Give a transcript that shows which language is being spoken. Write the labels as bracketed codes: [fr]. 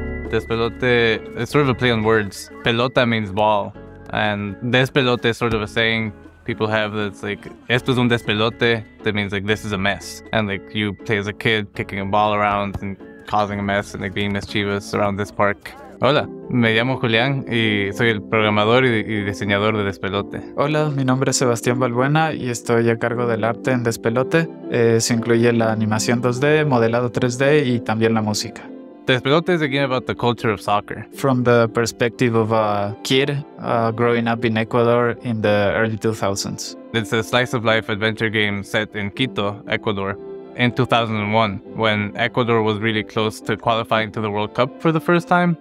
[en] Despelote is sort of a play on words. Pelota means ball, and despelote is sort of a saying people have that's like, [es] esto es un despelote, [en] that means like, this is a mess. And like, you play as a kid kicking a ball around and causing a mess and like being mischievous around this park. [es] Hola, me llamo Julián y soy el programador y diseñador de Despelote. Hola, mi nombre es Sebastián Valbuena y estoy a cargo del arte en Despelote. Eso incluye la animación 2D, modelado 3D y también la música. [en] Despelote is a game about the culture of soccer. From the perspective of a kid growing up in Ecuador in the early 2000s. It's a slice-of-life adventure game set in Quito, Ecuador, in 2001, when Ecuador was really close to qualifying to the World Cup for the first time.